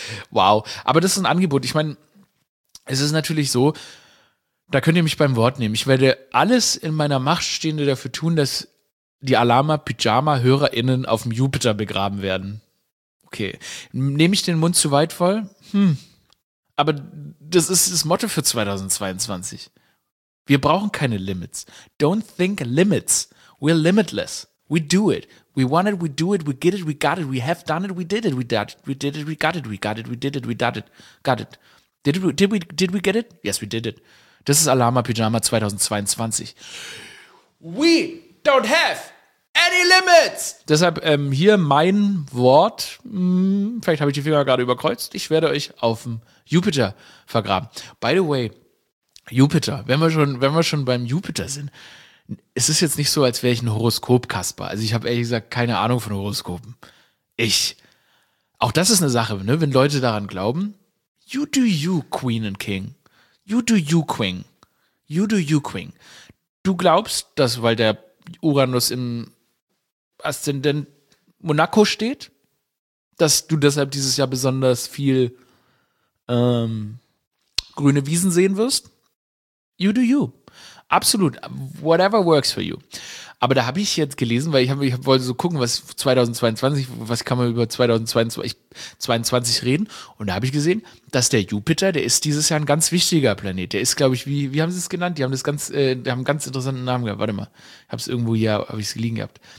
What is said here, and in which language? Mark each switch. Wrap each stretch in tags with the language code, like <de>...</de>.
<de>Wow. Aber das ist ein Angebot. Ich meine, es ist natürlich so, da könnt ihr mich beim Wort nehmen. Ich werde alles in meiner Macht Stehende dafür tun, dass die Alama-Pyjama-HörerInnen auf dem Jupiter begraben werden. Okay. Nehme ich den Mund zu weit voll? Aber das ist das Motto für 2022. Wir brauchen keine Limits.</de> <en>Don't think limits. We're limitless. We do it. We want it, we do it, we get it, we got it, we have done it, we did it, we did it, we did it, we got it, we got it, we did it, we got it, got it. Did we get it? Yes, we did it.</en> <de>Das ist</de> <en>Alama Pyjama 2022. We don't have any limits!</en> <de>Deshalb hier mein Wort. Vielleicht habe ich die Finger gerade überkreuzt. Ich werde euch auf dem Jupiter vergraben.</de> <en>By the way,</en> <de>Jupiter, wenn wir schon beim Jupiter sind, es ist jetzt nicht so, als wäre ich ein Horoskop-Kasper. Also ich habe ehrlich gesagt keine Ahnung von Horoskopen. Auch das ist eine Sache, ne? Wenn Leute daran glauben.</de> <en>You do you, Queen and King. You do you, Queen. You do you, Queen.</en> <de>Du glaubst, dass, weil der Uranus im Aszendent Monaco steht, dass du deshalb dieses Jahr besonders viel grüne Wiesen sehen wirst?</de> <en>You do you.</en> <de>Absolut,</de> <en>whatever works for you.</en> <de>Aber da habe ich jetzt gelesen, weil ich wollte so gucken, was 2022, was kann man über 2022 reden? Und da habe ich gesehen, dass der Jupiter, der ist dieses Jahr ein ganz wichtiger Planet. Der ist, glaube ich, wie haben sie es genannt? Die haben einen ganz interessanten Namen gehabt. Warte mal, habe ich es liegen gehabt.</de>